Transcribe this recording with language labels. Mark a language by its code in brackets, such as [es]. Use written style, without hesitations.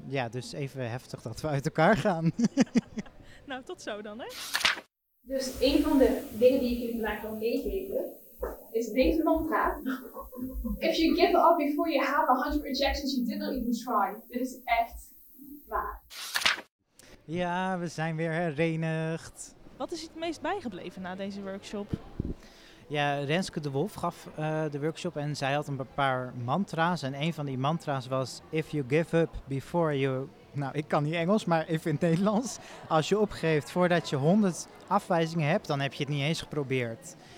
[nl] Dus even heftig dat we uit elkaar gaan. Nou, tot zo dan, hè. Dus een van de dingen die ik jullie vandaag wil meegeven, is deze man praat. [en] If you give up before you have 100 rejections, you didn't even try. [nl] Dit is echt waar. Ja, we zijn weer herenigd. Wat is het meest bijgebleven na deze workshop? Ja, Renske de Wolf gaf de workshop en zij had een paar mantra's. En een van die mantra's was, [en] if you give up before you... [nl] Nou, ik kan niet Engels, maar even in het Nederlands. Als je opgeeft voordat je 100 afwijzingen hebt, dan heb je het niet eens geprobeerd.